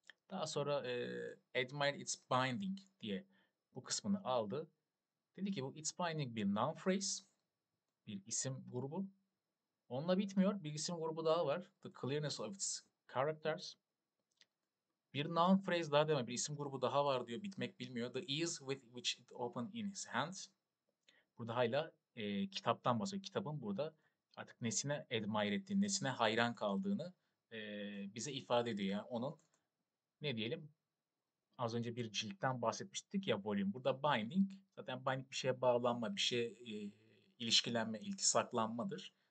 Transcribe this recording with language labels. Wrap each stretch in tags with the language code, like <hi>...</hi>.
<tr>Daha sonra</tr> <en>admire its binding</en> <tr>diye bu kısmını aldı. Dedi ki bu its binding bir noun phrase. Bir isim grubu. Onunla bitmiyor. Bir isim grubu daha var.</tr> <en>The clearness of its characters.</en> <tr>Bir noun phrase daha deme. Bir isim grubu daha var diyor. Bitmek bilmiyor.</tr> <en>The ease with which it opened in his hand.</en> <tr>Burada hala kitaptan bahsediyor. Kitabın burada artık nesine admire ettiğini, nesine hayran kaldığını bize ifade ediyor. Yani onun ne diyelim az önce bir ciltten bahsetmiştik ya volume. Burada binding. Zaten binding bir şeye bağlanma, bir şeye ilişkilenme, iltisaklanmadır.</tr>